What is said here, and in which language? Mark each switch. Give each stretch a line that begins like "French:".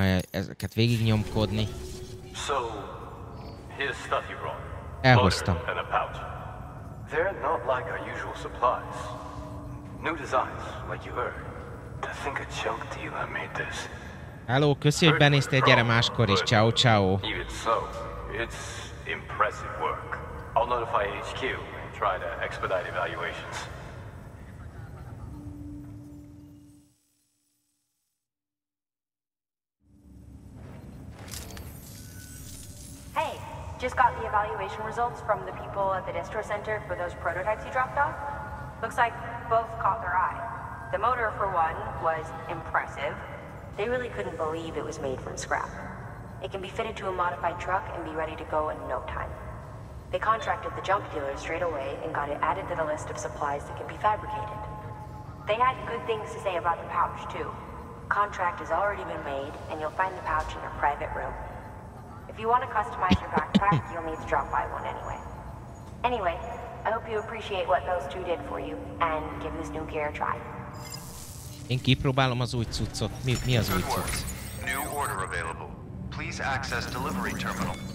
Hungarian: Ezeket végig nyomkodni.
English: So, here's stuff you brought.
Hungarian: Elhoztam.
English: And a pouch. They're not like our usual supplies. New designs, like you heard. I think a junk dealer made this.
Hungarian: Hello, köszi, hogy benéztél, gyere máskor is. Ciao, ciao.
English: Even so, it's impressive work. I'll notify HQ and try to expedite evaluations. Just got the evaluation results from the people at the distro center for those prototypes you dropped off. Looks like both caught their eye. The motor, for one, was impressive. They really couldn't believe it was made from scrap. It can be fitted to a modified truck and be ready to go in no time. They contracted the junk dealer straight away and got it added to the list of supplies that can be fabricated. They had good things to say about the pouch, too. Contract has already been made, and you'll find the pouch in your private room. If you want to customize your backpack, you'll need to drop by one anyway. Anyway, I hope you appreciate what those two did for you, and give this new gear a try.
Hungarian: Én kipróbálom az új cuccot. Mi az új cucc?
English: New order available. Please access delivery terminal.